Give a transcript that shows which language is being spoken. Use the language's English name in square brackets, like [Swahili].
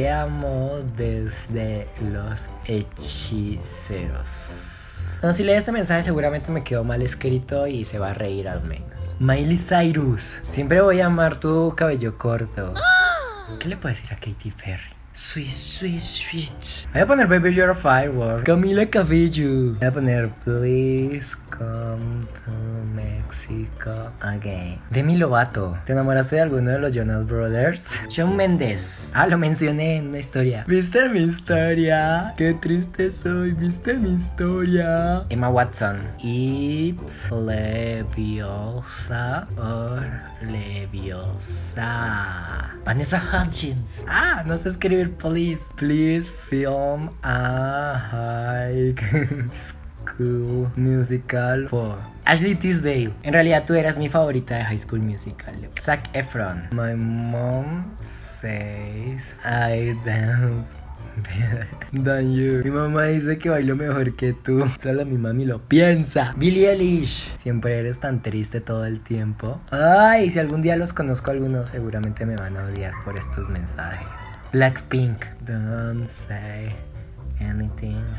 [Spanish] Te amo desde los hechiceros. No, si lee este mensaje seguramente me quedó mal escrito y se va a reír al menos. Miley Cyrus, siempre voy a amar tu cabello corto. ¿Qué le puedo decir a Katy Perry? Sweet. Voy a poner [English] Baby You're a Firework. [Spanish] Camila Cabello. Voy a poner [English] Please come to Mexico again. [Spanish] Demi Lovato. ¿Te enamoraste de alguno de los Jonas Brothers? Shawn Mendes. Ah, lo mencioné en una historia. ¿Viste mi historia? Qué triste soy. ¿Viste mi historia? Emma Watson. [English] It's Leviosa or Leviosa. [Spanish] Vanessa Hudgens. Ah, no sé escribir. [English] Please film a high school musical for Ashley Tisdale. [Spanish] En realidad tú eras mi favorita de High School Musical. Zac Efron. [English] My mom says I dance better than you. [Spanish] Mi mamá dice que bailo mejor que tú. Solo mi mami lo piensa. Billie Eilish. Siempre eres tan triste todo el tiempo. Ay, si algún día los conozco a algunos, seguramente me van a odiar por estos mensajes. [English] Blackpink. Don't say anything.